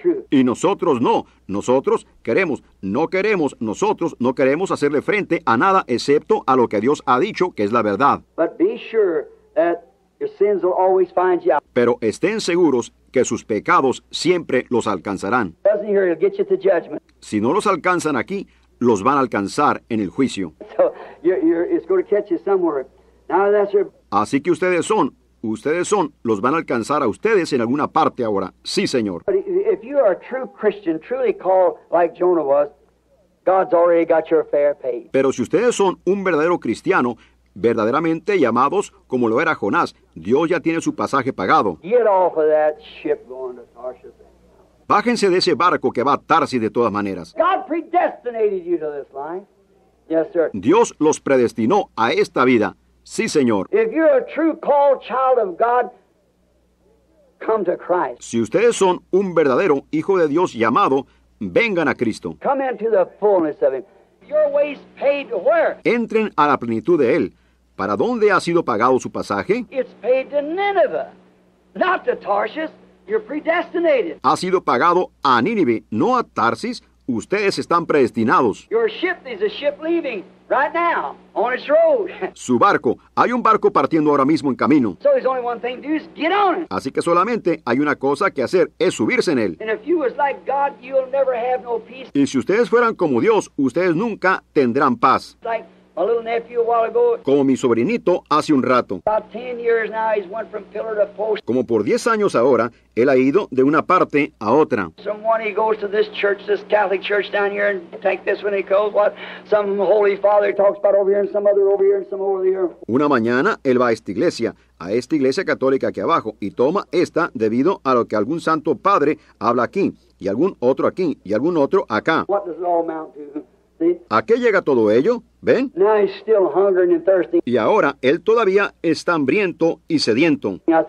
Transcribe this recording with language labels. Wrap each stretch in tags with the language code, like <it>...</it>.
<es>Y nosotros no, nosotros queremos, no queremos, nosotros no queremos hacerle frente a nada excepto a lo que Dios ha dicho que es la verdad.</es> <en>But be sure that your sins will always find you out.</en> <es>Pero estén seguros que sus pecados siempre los alcanzarán.</es> <en>Doesn't hear, he'll get you to judgment.</en> <es>Si no los alcanzan aquí, los van a alcanzar en el juicio.</es> <en>So it's going to catch you somewhere. Now that's your...</en> <es>Así que ustedes son, los van a alcanzar a ustedes en alguna parte ahora. Sí, Señor.</es> <en>But if you are a true Christian, truly called like Jonah was, God's already got your fare paid.</en> <es>Pero si ustedes son un verdadero cristiano, verdaderamente llamados como lo era Jonás, Dios ya tiene su pasaje pagado.</es> <en>Get off of that ship going to Tarshish.</en> <es>Bájense de ese barco que va a Tarsis de todas maneras.</es> <en>God predestinated you to this life. Yes, sir.</en> <es>Dios los predestinó a esta vida. Sí, Señor.</es> <en>If you're a true called child of God, come to Christ.</en> <es>Si ustedes son un verdadero hijo de Dios llamado, vengan a Cristo.</es> <en>Come into the fullness of him. Your ways paid to where?</en> <es>Entren a la plenitud de él. ¿Para dónde ha sido pagado su pasaje?</es> <en>It's paid to Nineveh, not to Tarshish. You're predestinated.</en> <es>Ha sido pagado a Nínive, no a Tarsis. Ustedes están predestinados.</es> <en>Your ship is a ship leaving right now on its road.</en> <es>Su barco, hay un barco partiendo ahora mismo en camino.</es> <en>So there's only one thing to do is get on it.</en> <es>Así que solamente hay una cosa que hacer, es subirse en él.</es> <en>And if you was like God, you'll never have no peace.</en> <es>Y si ustedes fueran como Dios, ustedes nunca tendrán paz.</es> <en>Like My little nephew a while ago.</en> <es>Como mi sobrinito hace un rato.</es> <en>About 10 years now he's went from pillar to post.</en> <es>Como por 10 años ahora, él ha ido de una parte a otra.</es> <en>Someone he goes to this church, this Catholic church down here, and take this when he goes. What some holy father talks about over here, and some other over here, and some over here.</en> <es>Una mañana él va a esta iglesia. A esta iglesia católica aquí abajo, y toma esta debido a lo que algún santo padre habla aquí, y algún otro aquí, y algún otro acá.</es> <en>What does it all amount to? See?</en> <es>¿A qué llega todo ello? ¿Ven?</es> <en>Now he's still hungry and thirsty.</en> <es>Y ahora él todavía está hambriento y sediento.</es>